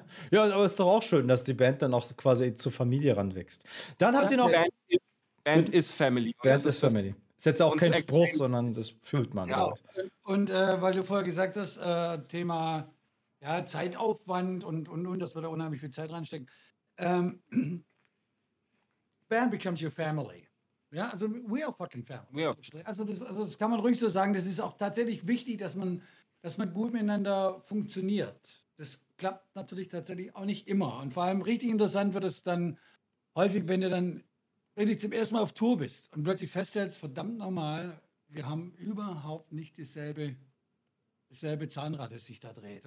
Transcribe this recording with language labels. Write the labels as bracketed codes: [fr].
[de] Ja, aber ist doch auch schön, dass die Band dann auch quasi zur Familie ranwächst. Dann habt ihr noch... [en] Band is family. Band is family. [de] Ist jetzt auch kein Spruch, sondern das fühlt man. Ja. Und weil du vorher gesagt hast, Thema ja, Zeitaufwand und, dass wir da unheimlich viel Zeit reinstecken. [en] Band becomes your family. [de] Ja, also [en] we are fucking family. Yeah. [de] Also das kann man ruhig so sagen. Das ist auch tatsächlich wichtig, dass man gut miteinander funktioniert. Das klappt natürlich tatsächlich auch nicht immer. Und vor allem richtig interessant wird es dann häufig, wenn du zum ersten Mal auf Tour bist und plötzlich feststellst, verdammt nochmal, wir haben überhaupt nicht dasselbe Zahnrad, das sich da dreht.